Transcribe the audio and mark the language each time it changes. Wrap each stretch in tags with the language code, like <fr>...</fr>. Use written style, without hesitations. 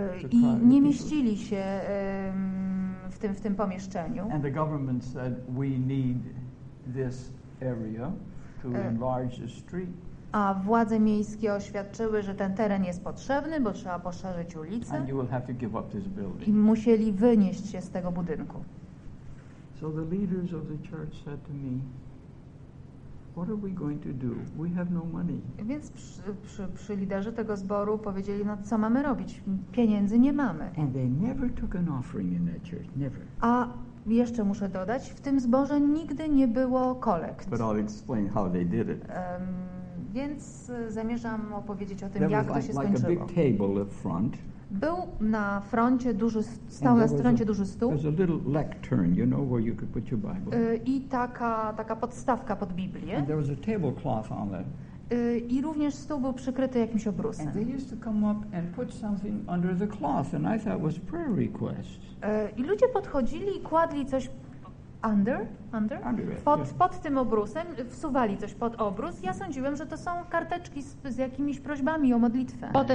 <pl>I nie mieścili się w tym pomieszczeniu.</pl> <en>And the government said, we need this area to enlarge the street.</en> <pl>A władze miejskie oświadczyły, że ten teren jest potrzebny, bo trzeba poszerzyć ulicę.</pl> <en>And you will have to give up this building.</en> <pl>I musieli wynieść się z tego budynku.</pl> <en>So the leaders of the church said to me, what are we going to do? We have no money.</en> <pl>Więc przy liderzy tego zboru powiedzieli, no co mamy robić? Pieniędzy nie mamy.</pl> <en>And they never took an offering in that church, never.</en> <pl>A jeszcze muszę dodać, w tym zborze nigdy nie było kolekt.</pl> <en>But I'll explain how they did it.</en> <pl>Więc zamierzam opowiedzieć o tym,</pl> <en>there</en> <pl>jak</pl> <en>was,</en> <pl>to się</pl> <en>like</en> <pl>skończyło.</pl> <en>A big table at front.</en> <pl>Był na froncie duży, stał na stronie duży stół.</pl> <en>Lectern, you know, where you could put your Bible.</en> <pl>I taka podstawka pod Biblię.</pl> <en>And there was a table cloth on it.</en> <pl>I również stół był przykryty jakimś obrusem.</pl> <en>And they used to come up and put something under the cloth, and I thought it was prayer request.</en> <pl>I ludzie podchodzili i kładli coś</pl> <en>under?</en> <pl>Pod tym obrusem, wsuwali coś pod obrus. Ja sądziłem, że to są karteczki z jakimiś prośbami o modlitwę.</pl>